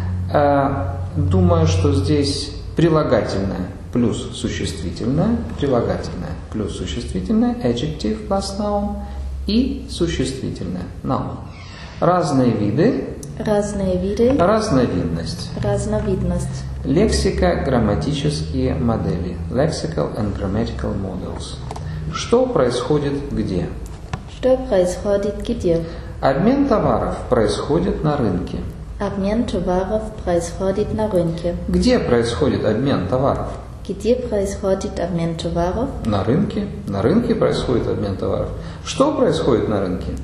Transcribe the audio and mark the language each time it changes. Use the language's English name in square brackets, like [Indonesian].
[Russian] Думаю, что здесь прилагательное плюс существительное, прилагательное плюс существительное, [English] adjective plus noun, [Russian] и существительное, noun. Разные виды. Разные виды. Разновидность. Разновидность. Лексико-грамматические модели. [English] Lexical and grammatical models. [Russian] Что происходит где? Что происходит где? Обмен товаров происходит на рынке. Обмен товаров происходит на рынке. Где происходит обмен товаров? Где происходит обмен товаров? На рынке. На рынке происходит обмен товаров. Что происходит на рынке?